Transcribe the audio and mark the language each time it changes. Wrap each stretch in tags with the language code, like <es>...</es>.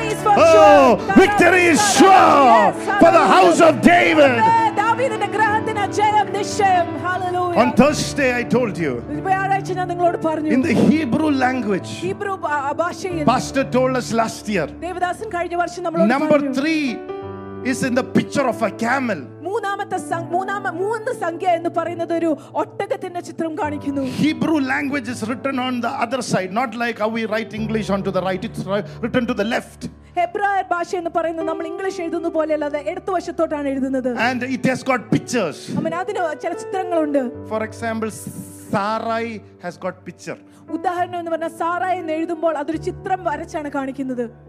<en>Oh, victory is sure for the house of David.</en> <ml>Davidinte grahathina jayam nischayam. Hallelujah.</ml> <en>On Thursday I told you.</en> <ml>ഇവരായിച്ച് ഞാൻ നിങ്ങളോട് പറഞ്ഞു.</ml> <en>In the Hebrew language.</en> <ml>Hebrew ഭാഷയിൽ.</ml> <en>Pastor told us last year.</en> <ml>Devadasan കഴിഞ്ഞ വർഷം നമ്മളോട് പറഞ്ഞു.</ml> <en>Number 3 is in the picture of a camel.</en> <ml>മൂന്നാമത്തെ സംഖ്യ എന്ന് പറയുന്നത് ഒരു ഒട്ടകത്തിന്റെ ചിത്രം കാണിക്കുന്നു.</ml> <en>Hebrew language is written on the other side, not like how we write English onto the right, it's written to the left.</en> <ml>ഹെബ്രായർ ഭാഷ എന്ന് പറയുന്നത് നമ്മൾ ഇംഗ്ലീഷ് എഴുതുന്ന പോലെ അല്ലാതെ ഇടത് വശത്തോട്ടാണ് എഴുതുന്നത്.</ml> <en>And it has got pictures.</en> <ml>അതിന് ചില ചിത്രങ്ങളുണ്ട്.</ml> <en>For example, Sarai has got picture.</en> <ml>ഉദാഹരണം എന്ന് പറഞ്ഞാൽ സാറായ് എന്ന് എഴുതുമ്പോൾ അതൊരു ചിത്രം വരച്ചാണ് കാണിക്കുന്നത്.</ml>